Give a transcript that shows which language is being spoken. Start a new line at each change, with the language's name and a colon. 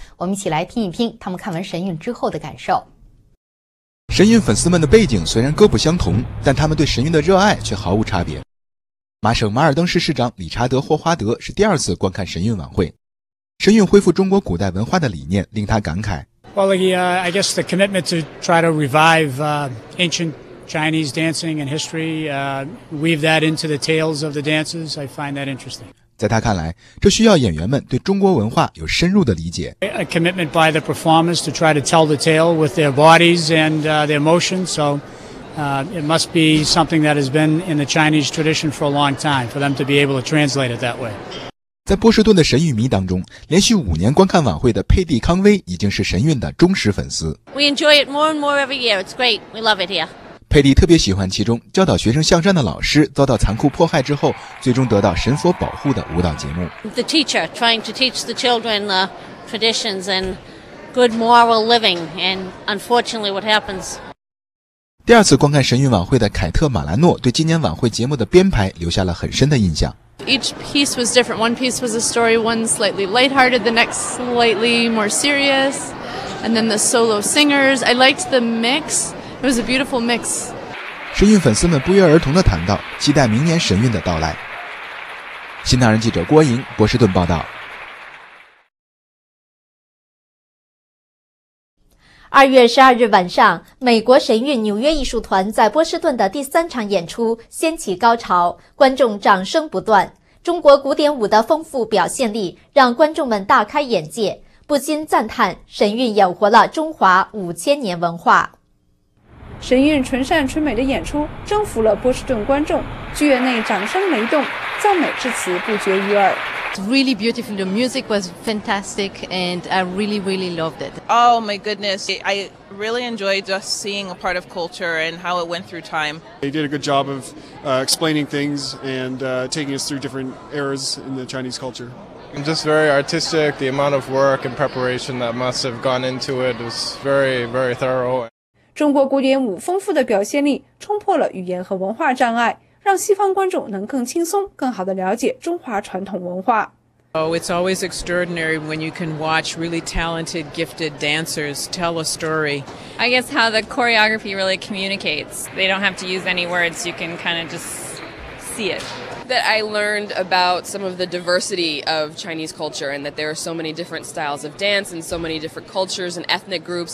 Chinese: 我们一起来听一听他们看完神韵之后的感受。神韵粉丝们的背景虽然各不相同，但他们对神韵的热爱却毫无差别。麻省马尔登市市长理查德·霍华德是第二次观看神韵晚会，神韵恢复中国古代文化的理念令他感慨。
English: Well, I guess the commitment to try to revive ancientChinese dancing and history, weave that into the tales of the dances. I find that interesting.
Chinese: 在他看来，这需要演员们对中国文化有深入的理解。
English: A commitment by the performers to try to tell the tale with their bodies and their emotions. So, it must be something that has been in the Chinese tradition for a long time for them to be able to translate it that way.
Chinese: 在波士顿的神韵迷当中，连续五年观看晚会的佩蒂·康威已经是神韵的忠实粉丝。
English: We enjoy it more and more every year. It's great. We love it here.
Chinese: 佩蒂特别喜欢其中教导学生向善的老师遭到残酷迫害之后，最终得到神佛保护的舞蹈节目。
English: The teacher trying to teach the children the traditions and good moral living, and unfortunately what happens.
Chinese: 第二次观看神韵晚会的凯特·马兰诺对今年晚会节目的编排留下了很深的印象。
English: Each piece was different. One piece was a story, one slightly lighthearted, the next slightly more serious. And then the solo singers. I liked the mix. It was a beautiful mix.
Chinese: 神韵粉丝们不约而同地谈到期待明年神韵的到来。新唐人记者郭莹，波士顿报道。 2月12日晚上，美国神韵纽约艺术团在波士顿的第三场演出掀起高潮，观众掌声不断。中国古典舞的丰富表现力让观众们大开眼界，不禁赞叹神韵演活了中华五千年文化。神韵纯善纯美的演出征服了波士顿观众，剧院内掌声雷动，赞美之词不绝于耳。
English: It's really beautiful. The music was fantastic and I really, really loved it. Oh my goodness. I really enjoyed just seeing a part of culture and how it went through time. They did a good job of explaining things and taking us through different eras in the Chinese culture. I'm just very artistic. The amount of work and preparation that must have gone into it was very, very thorough.
Chinese: 中国古典舞丰富的表现力冲破了语言和文化障碍，让西方观众能更轻松、更好地了解中华传统文化。
English: Oh, it's always extraordinary when you can watch really talented, gifted dancers tell a story. I guess how the choreography really communicates. They don't have to use any words. You can kind of just see it. That I learned about some of the diversity of Chinese culture and that there are so many different styles of dance and so many different cultures and ethnic groups.